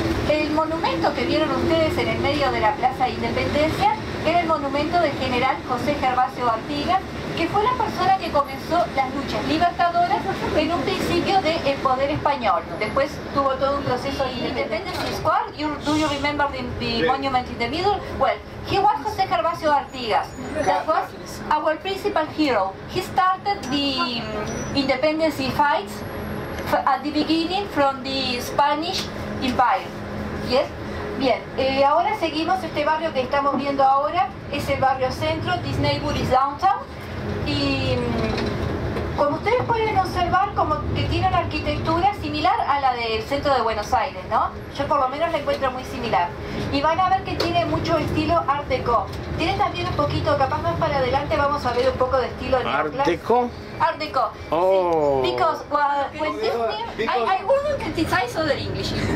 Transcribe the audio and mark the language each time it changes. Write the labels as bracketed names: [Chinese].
[Spanish] El monumento que vieron ustedes en el medio de la Plaza Independencia era el monumento del general José Gervasio Artigas, que fue la persona que comenzó las luchas libertadoras en un principio del poder español. Después tuvo todo un proceso de Independence Square. [English] Do you remember the monument in the middle? Well, he was José Gervasio Artigas. That was our principal hero. He started the independence fights at the beginning from the Spanish Empire. Yes. [Spanish] Bien, ahora seguimos este barrio que estamos viendo ahora, es el barrio centro, [English] this neighborhood is downtown, [Spanish] y como ustedes pueden observar, como que tiene una arquitectura similar a la del centro de Buenos Aires, ¿no? Yo por lo menos la encuentro muy similar. Y van a ver que tiene mucho estilo Art Deco. Tiene también un poquito, capaz más para adelante vamos a ver un poco de estilo Art Deco. Art Deco. Oh. [English] Because when this name, I wouldn't criticize other English.